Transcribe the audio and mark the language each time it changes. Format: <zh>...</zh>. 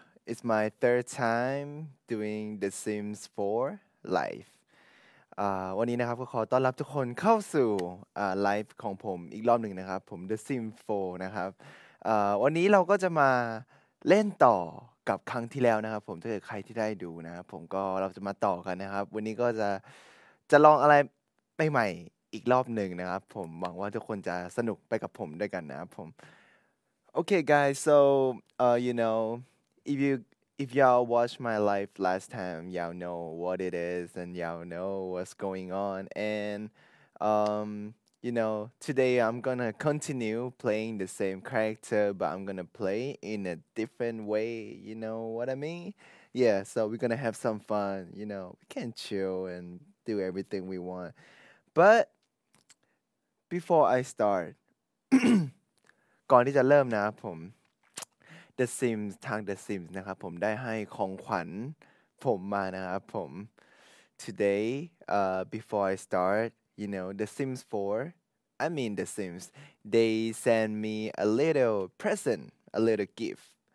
<en>It's my third time doing The Sims 4 Live.</en> <th>วันนี้นะครับ ขอต้อนรับทุกคนเข้าสู่ Live ของผมอีกรอบหนึ่งนะครับ ผม The Sims 4 นะครับ วันนี้เราก็จะมาเล่นต่อกับครั้งที่แล้วนะครับผม ถ้าเกิดใครที่ได้ดูนะครับ ผมก็เราจะมาต่อกันนะครับ วันนี้ก็ จะลองอะไรใหม่ๆอีกรอบหนึ่งนะครับ ผมหวังว่าทุกคนจะสนุกไปกับผมด้วยกันนะครับผม</th> <en>Okay guys, so you know if y'all watched my life last time, y'all know what it is and y'all know what's going on and you know, today I'm gonna continue playing the same character, but I'm gonna play in a different way. You know what I mean? Yeah, so we're gonna have some fun. You know, we can chill and do everything we want. But before I start,</en> <th>ก่อนที่จะเริ่มนะครับผม The Sims ทาง The Sims นะครับผม ได้ให้ของขวัญผมมานะครับผม</th> <en>Today, before I start, you know, The Sims 4. I mean The Sims, they send me a little present, a little gift.</en>